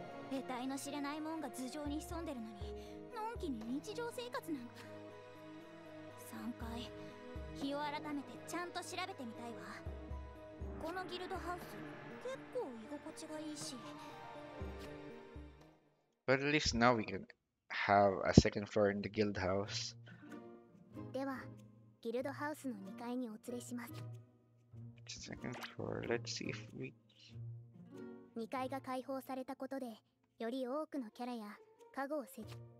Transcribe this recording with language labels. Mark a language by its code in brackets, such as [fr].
[ja] 得体の知れないもんが頭上に潜んでるのに、のんきに日常生活なんか。 3階、日を改めてちゃんと調べてみたいわ。このギルドハウス結構居心地がいいし。 [en] But at least now we can have a second floor in the guild house. [ja] では、ギルドハウスの2階にお連れします。 [en] Second floor. Let's see if we... [ja] 2階が開放されたことで、より多くのキャラや家具を設置。